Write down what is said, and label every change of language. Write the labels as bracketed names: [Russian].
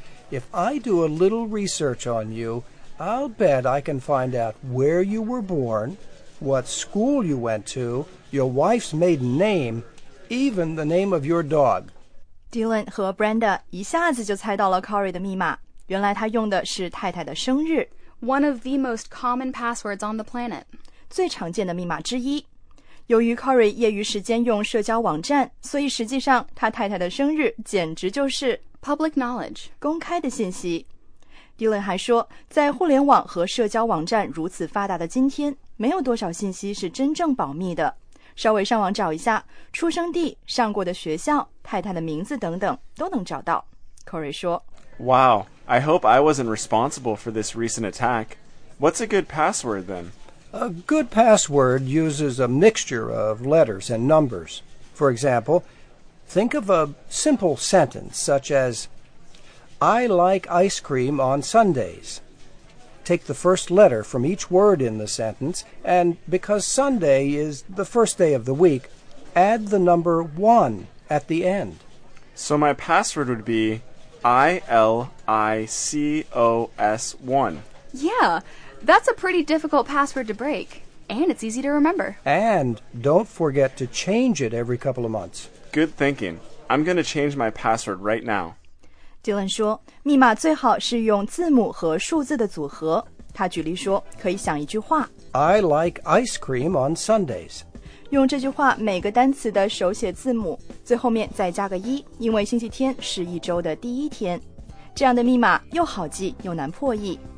[English] If I do a little research on you, I'll bet I can find out where you were born, what school you went to, your wife's maiden name, even the name of your dog. [Chinese] Dylan 和 Brenda 一下子就猜到了 Corey 的密码，原来他用的是太太的生日。 [English] One of the most common passwords on the planet. [Chinese] 最常见的密码之一。由于 Corey 业余时间用社交网站，所以实际上他太太的生日简直就是 [English] public knowledge, [Chinese] 公开的信息。 Dylan 还说，在互联网和社交网站如此发达的今天，没有多少信息是真正保密的。稍微上网找一下，出生地、上过的学校、太太的名字等等，都能找到。 Corey 说 [English] ，Wow, I hope I wasn't responsible for this recent attack. What's a good password then? A good password uses a mixture of letters and numbers. For example, think of a simple sentence such as, I like ice cream on Sundays. Take the first letter from each word in the sentence, and because Sunday is the first day of the week, add the number 1 at the end. So my password would be ILICOS1. Yeah, that's a pretty difficult password to break, and it's easy to remember. And don't forget to change it every couple of months. Good thinking. I'm going to change my password right now. [Chinese] Dylan 说，密码最好是用字母和数字的组合。他举例说，可以想一句话 [English] I like ice cream on Sundays. [Chinese] 用这句话每个单词的手写字母，最后面再加个一，因为星期天是一周的第一天。这样的密码又好记又难破译。